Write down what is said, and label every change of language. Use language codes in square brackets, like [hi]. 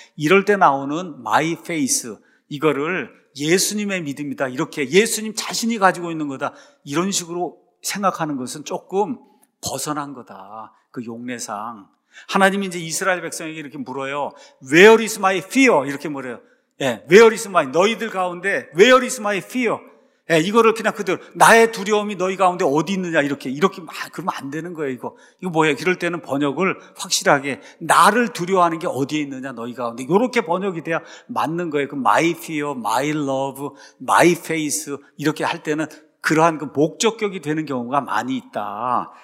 [ko] 이럴 때 나오는 마이 페이스 이거를 예수님의 믿음이다 이렇게 예수님 자신이 가지고 있는 거다 이런 식으로 생각하는 것은 조금 벗어난 거다. 그 용례상 하나님이 이제 이스라엘 백성에게 이렇게 물어요. [en] Where is my fear? [ko] 이렇게 물어요. [en] 예, Where is my [ko] 너희들 가운데 [en] Where is my fear? [ko] 예, 이거를 그냥 그대로 나의 두려움이 너희 가운데 어디 있느냐 이렇게 막 그러면 안 되는 거예요. 이거 뭐예요? 이럴 때는 번역을 확실하게 나를 두려워하는 게 어디에 있느냐 너희 가운데 이렇게 번역이 돼야 맞는 거예요. 그 [en] my fear, my love, my face [ko] 이렇게 할 때는 그러한 그 목적격이 되는 경우가 많이 있다.